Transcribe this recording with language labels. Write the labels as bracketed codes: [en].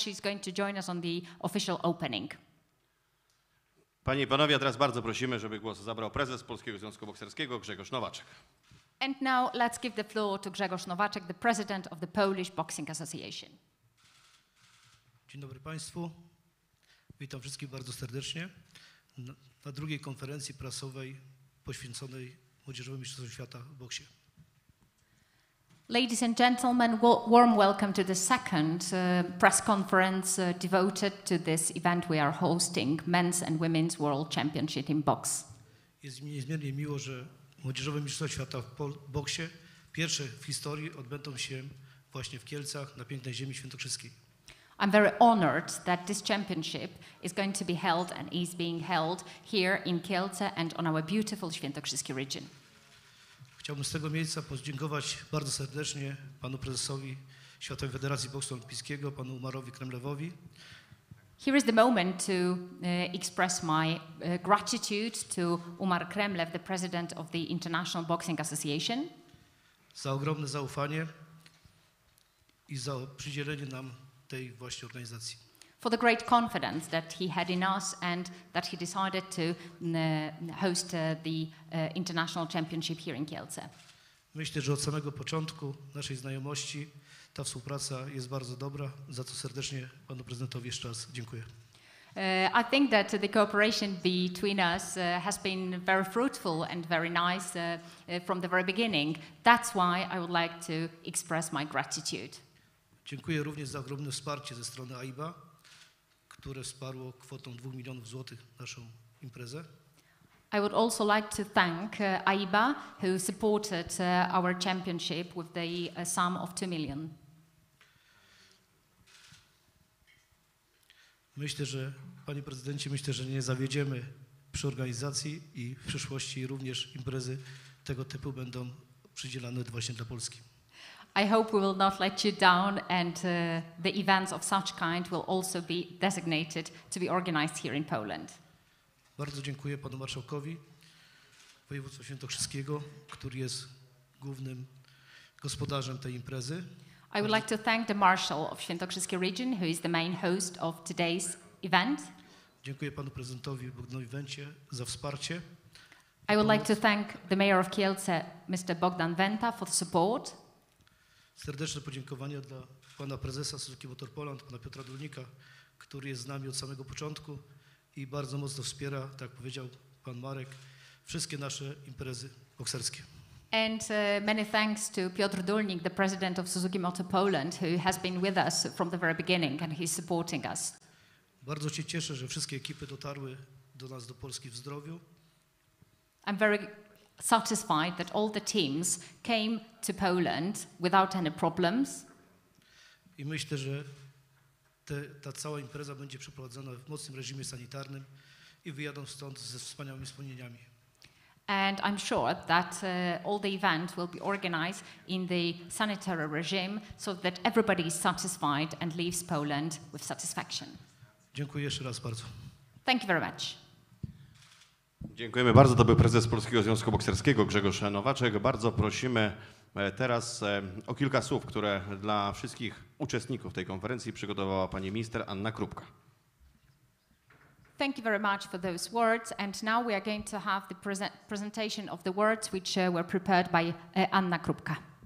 [en] She's going to join us on the official opening. [pl] Panie i panowie, teraz bardzo prosimy, żeby głos zabrał prezes Polskiego Związku Bokserskiego Grzegorz Nowaczek. [en] And now let's give the floor to Grzegorz Nowaczek, the president of the Polish Boxing Association. [pl] Dzień dobry Państwu. Witam wszystkich bardzo serdecznie na drugiej konferencji prasowej poświęconej Młodzieżowym Mistrzostwom Świata w boksie. [en] Ladies and gentlemen, warm welcome to the second press conference devoted to this event we are hosting, Men's and Women's World Championship in Box. [pl] Jest mi niezmiernie miło, że Młodzieżowe Mistrzostwa Świata w boksie, pierwsze w historii, odbędą się właśnie w Kielcach, na pięknej ziemi świętokrzyskiej. [en] I'm very honored that this championship is going to be held and is being held here in Kielce and on our beautiful Świętokrzyskie region. [pl] Chciałbym z tego miejsca podziękować bardzo serdecznie panu prezesowi Światowej Federacji Boksu Olimpijskiego, panu Umarowi Kremlewowi. [en] Here is the moment to express my gratitude to Umar Kremlew, the president of the International Boxing Association. [pl] za ogromne zaufanie i za przydzielenie nam tej właśnie organizacji. [en] For the great confidence that he had in us and that he decided to host the international championship here in Kielce. [pl] Myślę, że od samego początku naszej znajomości ta współpraca jest bardzo dobra, za co serdecznie panu prezydentowi jeszcze raz dziękuję. [en] I think that the cooperation between us has been very fruitful and very nice from the very beginning. That's why I would like to express my gratitude. [pl] Dziękuję również za ogromne wsparcie ze strony AIBA, które wsparło kwotą 2 milionów złotych naszą imprezę. [en] I would also like to thank AIBA, who supported our championship with the sum of 2 million. [pl] Myślę, że panie prezydencie, myślę, że nie zawiedziemy przy organizacji i w przyszłości również imprezy tego typu będą przydzielane właśnie dla Polski. [en] I hope we will not let you down and the events of such kind will also be designated to be organized here in Poland. [pl] Bardzo dziękuję panu marszałkowi województwa świętokrzyskiego, który jest głównym gospodarzem tej imprezy. [en] I would like to thank the marshal of Świętokrzyskie Region, who is the main host of today's event. [pl] Dziękuję panu prezydentowi Bogdanowi Wencie za wsparcie. [en] I would like to thank the mayor of Kielce, Mr. Bogdan Wenta, for the support. [pl] Serdeczne podziękowania dla pana prezesa Suzuki Motor Poland, pana Piotra Dulnika, który jest z nami od samego początku i bardzo mocno wspiera, tak powiedział pan Marek, wszystkie nasze imprezy bokserskie. [en] And many thanks to Piotr Dulnik, the president of Suzuki Motor Poland, who has been with us from the very beginning and he's supporting us. [pl] Bardzo się cieszę, że wszystkie ekipy dotarły do nas, do Polski w zdrowiu. [en] I'm very satisfied that all the teams came to Poland without any problems. [pl] I myślę, że ta cała impreza będzie przeprowadzona w mocnym reżimie sanitarnym i wyjadą stąd ze wspaniałymi wspomnieniami. [en] And I'm sure that all the event will be organized in the sanitary regime so that everybody is satisfied and leaves Poland with satisfaction. [pl] Dziękuję jeszcze raz bardzo. [en] Thank you very much. [pl] Dziękujemy bardzo. To był prezes Polskiego Związku Bokserskiego Grzegorz Nowaczek. Bardzo prosimy teraz o kilka słów, które dla wszystkich uczestników tej konferencji przygotowała pani minister Anna Krupka. [en] Thank you very much for those words. And now we are going to have the presentation of the words which were prepared by Anna Krupka.